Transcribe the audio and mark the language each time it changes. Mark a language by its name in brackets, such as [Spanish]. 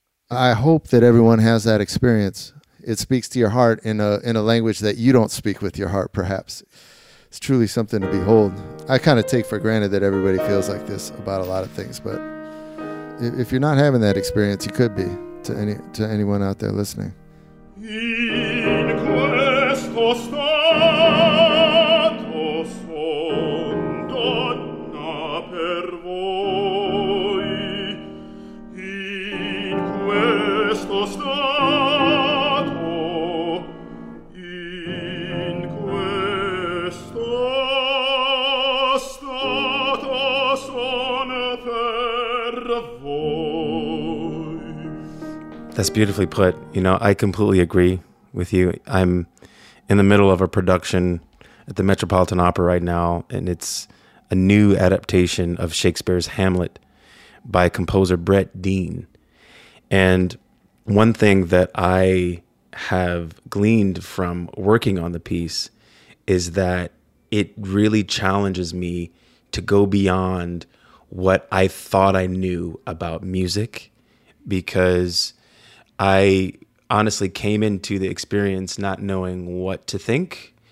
[English] I hope that everyone has that experience. It speaks to your heart in a language that you don't speak with your heart, perhaps. It's truly something to behold. I kind of take for granted that everybody feels like this about a lot of things, but if you're not having that experience, you could be to anyone out there listening. [Italian] In questo stato son donna per voi, in questo stato, in questo stato son per voi. [English] That's beautifully put. You know, I completely agree with you. I'm in the middle of a production at the Metropolitan Opera right now, and it's a new adaptation of Shakespeare's Hamlet by composer Brett Dean. And one thing that I have gleaned from working on the piece is that it really challenges me to go beyond what I thought I knew about music, because I honestly came into the experience not knowing what to think.